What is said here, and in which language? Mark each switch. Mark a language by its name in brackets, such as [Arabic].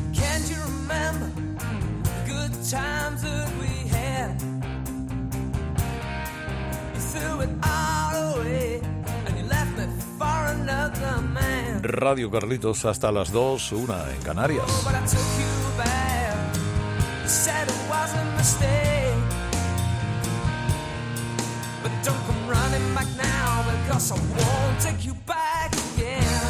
[English] Can't you remember the good times that we had? You threw it all away and you left me for another man. [Spanish] Radio Carlitos hasta las 2, 1 en Canarias. [English] Oh, but I took you back. You said it was a mistake. But don't come running back now, because I won't take you back again.